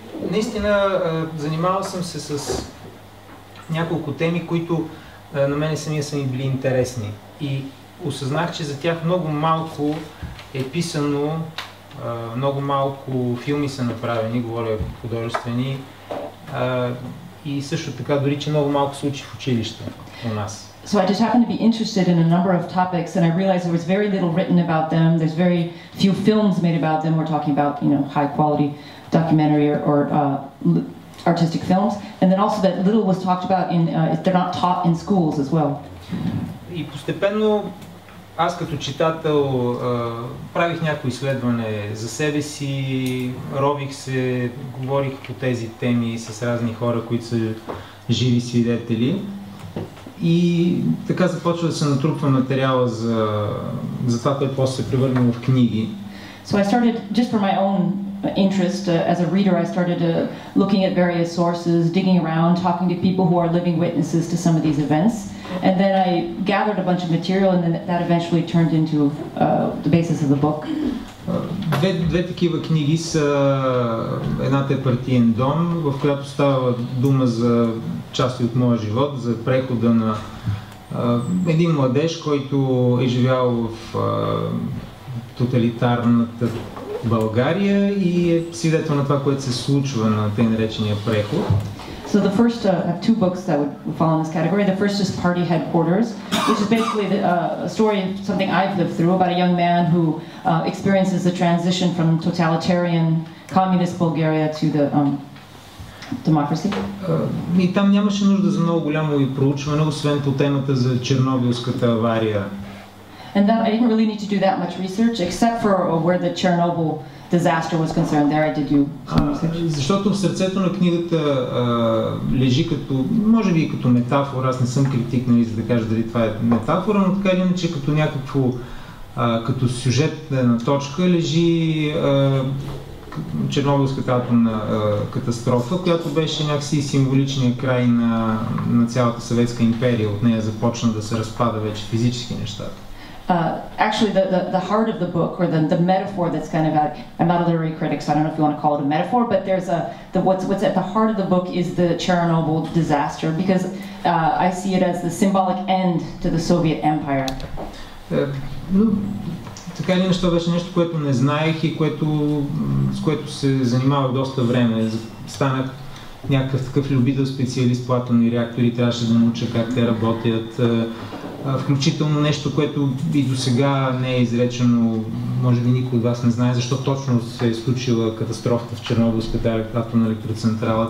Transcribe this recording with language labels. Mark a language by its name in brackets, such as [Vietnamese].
[Bulgarian] Наистина, занимавал съм се с няколко теми, които на мене самия са ми били интересни. И осъзнах, че за тях много малко е писано, много малко филми са направени, говоря художествени, и също така дори, че много малко се учи в училище у нас. [English] So I just happened to be interested in a number of topics, and I realized there was very little written about them. There's very few films made about them. We're talking about, you know, high-quality documentary or artistic films, and then also that little was talked about in. They're not taught in schools as well. [Bulgarian] И постепенно, аз като читател правих някои изследване за себе си, рових се, говорих по тези теми с разни хора, които са живи свидетели. И така започва да се натрупва материала за това, което после се превърна в книги. [English] So I started, just for my own interest, as a reader, I started looking at various sources, digging around, talking to people who are living witnesses to some of these events. And then I gathered a bunch of material, and then that eventually turned into the basis of the book. [Bulgarian] Две такива книги са... Едната е Партиен дом, в която става дума за части от моя живот, за прехода на един младеж, който е живял в тоталитарната България и е свидетел на това, което се случва на тъй наречения преход. [English] So the first, I have two books that would fall in this category. The first is Party Headquarters, which is basically a story of something I've lived through about a young man who experiences the transition from totalitarian communist Bulgaria to the democracy. [Bulgarian] И там нямаше нужда за много голямо и проучване, освен по темата за Чернобилската авария. [English] And that, I didn't really need to do that much research, except for where the Chernobyl disaster was concerned. There I did do [Bulgarian] Защото в сърцето на книгата лежи като, може би като метафора, аз не съм критик, нали, за да кажа дали това е метафора, но така или иначе като някакво, като сюжетна точка лежи Чернобилската атомна катастрофа, която беше някакси символичния край на, на цялата Съветска империя. От нея започна да се разпада вече физически нещата. [English] Actually, the heart of the book, or the metaphor that's kind of at, I'm not a literary critic, so I don't know if you want to call it a metaphor, but there's a, the, what's at the heart of the book is the Chernobyl disaster, because I see it as the symbolic end to the Soviet Empire. [Bulgarian] Ну, така или иначе, беше нещо, което не знаех и което, с което се занимавах доста време. Станах някакъв такъв любител специалист по атомни реактори, трябваше да науча как те работят. Включително нещо, което и до сега не е изречено, може би никой от вас не знае, защо точно се е случила катастрофата в Чернобилската атомна електроцентрала.